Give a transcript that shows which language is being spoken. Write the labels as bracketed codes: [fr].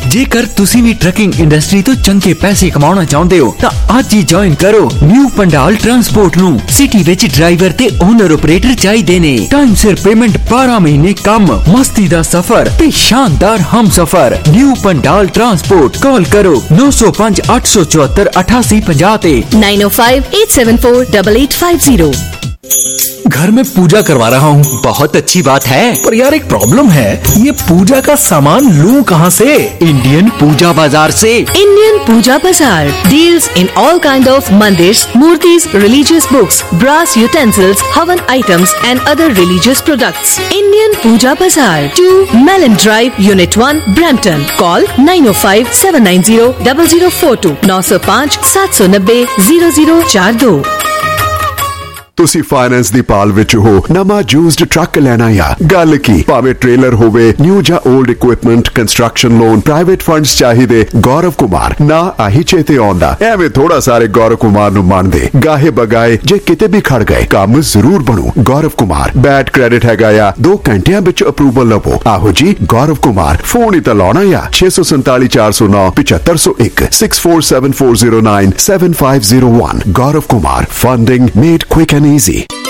[pa] ਜੇਕਰ ਤੁਸੀਂ ਵੀ trucking industry ਤੋਂ ਚੰਗੇ ਪੈਸੇ ਕਮਾਉਣਾ ਚਾਹੁੰਦੇ ਹੋ ਤਾਂ ਅੱਜ ਹੀ ਜੁਆਇਨ ਕਰੋ ਨਿਊ ਪੰਡਾਲ ਟਰਾਂਸਪੋਰਟ ਨੂੰ ਸਿਟੀ ਵਿੱਚ ਡਰਾਈਵਰ ਤੇ ਓਨਰ ਆਪਰੇਟਰ ਚਾਹੀਦੇ ਨੇ ਟਾਈਮ ਸਿਰ ਪੇਮੈਂਟ 12 ਮਹੀਨੇ ਕੰਮ ਮਸਤੀ ਦਾ ਸਫ਼ਰ ਤੇ ਸ਼ਾਨਦਾਰ ਹਮ ਸਫ਼ਰ ਨਿਊ ਪੰਡਾਲ ਟਰਾਂਸਪੋਰਟ ਕਾਲ ਕਰੋ 905-874-8850 905-874-8850 [hi] घर में पूजा करवा रहा हूँ बहुत अच्छी बात है पर यार एक प्रॉब्लम है ये पूजा का सामान लूँ कहाँ से इंडियन पूजा बाजार से [en] Indian Puja Bazaar deals in all kind of mandirs murtis religious books brass utensils havan items and other religious products Indian Puja Bazaar 2 Melanie drive unit 1 Brampton call 9057900042 905-790-0042 [pa] ਤੁਸੀਂ ਫਾਈਨੈਂਸ ਦੀ ਪਾਲ ਵਿੱਚ ਹੋ ਨਵਾਂ ਯੂਜ਼ਡ ਟਰੱਕ ਲੈਣਾ ਆ ਗੱਲ ਕੀ ਭਾਵੇਂ ਟ੍ਰੇਲਰ ਹੋਵੇ ਨਿਊ ਜਾਂ old equipment construction loan private funds ਚਾਹੀਦੇ ਗੌਰਵ ਕੁਮਾਰ ਨਾ ਆਹੀ ਚੇਤੇ ਆਉਂਦਾ ਐਵੇਂ ਥੋੜਾ ਸਾਰੇ ਗੌਰਵ ਕੁਮਾਰ ਨੂੰ ਮੰਨਦੇ ਗਾਹੇ ਬਗਾਏ ਜੇ ਕਿਤੇ ਵੀ ਖੜ ਗਏ ਕੰਮ ਜ਼ਰੂਰ ਬਣੂ ਗੌਰਵ ਕੁਮਾਰ ਬੈਡ ਕ੍ਰੈਡਿਟ ਹੈਗਾ ਆ 2 ਘੰਟਿਆਂ ਵਿੱਚ ਅਪਰੂਵਲ ਲਵੋ ਆਹੋ ਜੀ ਗੌਰਵ ਕੁਮਾਰ ਫੋਨ ਹੀ ਤਾਂ ਲਾਉਣਾ ਆ 647-409-7501 647-409-7501 ਗੌਰਵ Kumar [en] funding made quick and easy